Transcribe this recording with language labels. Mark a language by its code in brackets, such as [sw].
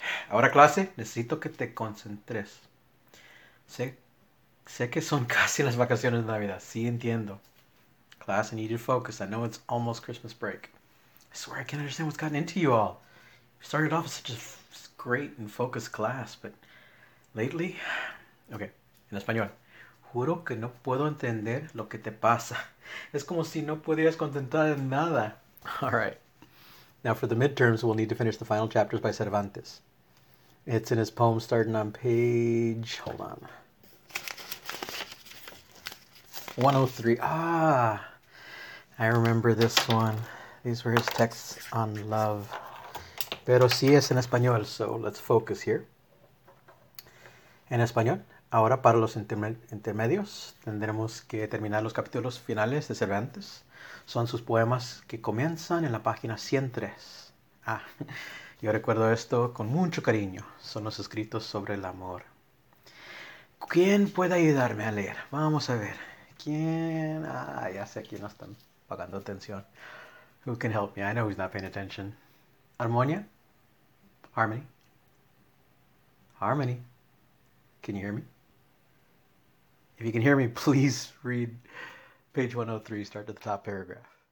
[es] Ahora, clase, necesito que te concentres. Sé que son casi las vacaciones de Navidad. Sí, entiendo. [en] Class, I need you to focus. I know it's almost Christmas break. I swear I can't understand what's gotten into you all. You started off as such a great and focused class, but lately. [es] Okay, en español. Juro que no puedo entender lo que te pasa. Es como si no pudieras contentar en nada. [en] All right. Now, for the midterms, we'll need to finish the final chapters by Cervantes. It's in his poem starting on page. Hold on. 103. Ah, I remember this one. These were his texts on love. [es] Pero sí es en español, [en] so let's focus here. [es] En español, ahora para los intermedios, tendremos que terminar los capítulos finales de Cervantes. Son sus poemas que comienzan en la página 103. Ah, yo recuerdo esto con mucho cariño. Son los escritos sobre el amor. ¿Quién puede ayudarme a leer? Vamos a ver. ¿Quién? Ah, ya sé quién no está pagando atención. [en] Who can help me? I know who's not paying attention. Armonia? Harmony? Harmony? Can you hear me? If you can hear me, please read page 103, start to the top paragraph.